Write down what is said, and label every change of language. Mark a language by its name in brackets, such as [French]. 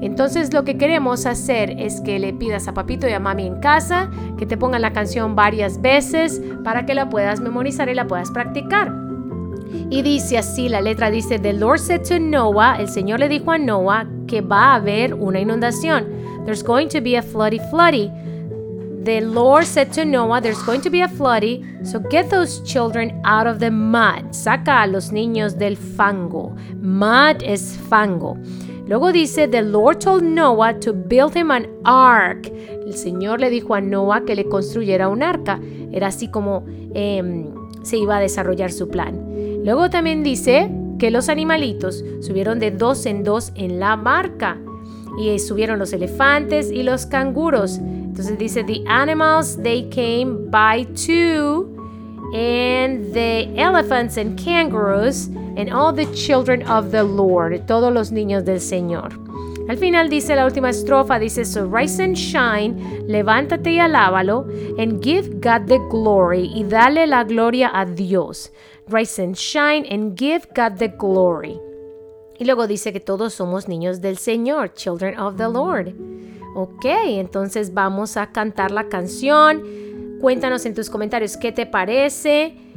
[Spanish] Entonces lo que queremos hacer es que le pidas a papito y a mami en casa que te pongan la canción varias veces para que la puedas memorizar y la puedas practicar. Y dice así, la letra dice: [English] The Lord said to Noah, [Spanish] el Señor le dijo a Noah que va a haber una inundación. [English] There's going to be a floody floody. The Lord said to Noah, there's going to be a floody, so get those children out of the mud. [Spanish] Saca a los niños del fango. Mud es fango. Luego dice, [English] the Lord told Noah to build him an ark. [Spanish] El Señor le dijo a Noah que le construyera un arca. Era así como se iba a desarrollar su plan. Luego también dice que los animalitos subieron de dos en dos en la barca. Y subieron los elefantes y los canguros. Entonces dice, [English] the animals, they came by two, and the elephants and kangaroos, and all the children of the Lord, [Spanish] todos los niños del Señor. Al final dice, la última estrofa dice, [English] so rise and shine, [Spanish] levántate y alábalo, [English] and give God the glory, [Spanish] y dale la gloria a Dios. [English] Rise and shine, and give God the glory. [Spanish] Y luego dice que todos somos niños del Señor, [English] children of the Lord. [Spanish] Ok, entonces vamos a cantar la canción. Cuéntanos en tus comentarios qué te parece.